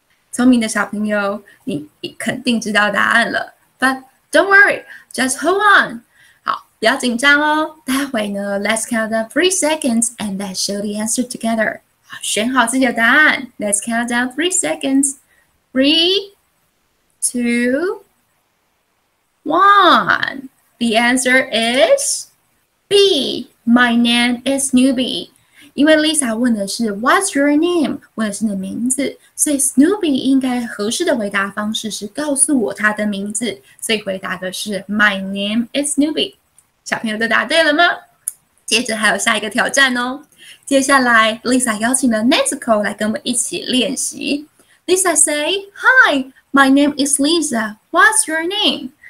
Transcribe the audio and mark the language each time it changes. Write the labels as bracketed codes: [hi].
[zh] 聪明的小朋友，你肯定知道答案了。 [en] But don't worry, just hold on. [zh] 好，不要紧张哦。待会呢， [en] Let's count down 3 seconds and let's show the answer together. [zh] 好，选好自己的答案。 [en] Let's count down 3 seconds. Three, two, one. The answer is B. My name is Snoopy， [zh] 因为 Lisa 问的是 [en] "What's your name？" [zh] 问的是你的名字，所以 Snoopy 应该合适的回答方式是告诉我他的名字，所以回答的是 [en] "My name is Snoopy." [zh] 小朋友都答对了吗？接着还有下一个挑战哦。接下来 Lisa 邀请了 Nezuko 来跟我们一起练习。 [en] Lisa say "Hi，my name is Lisa，What's your name？"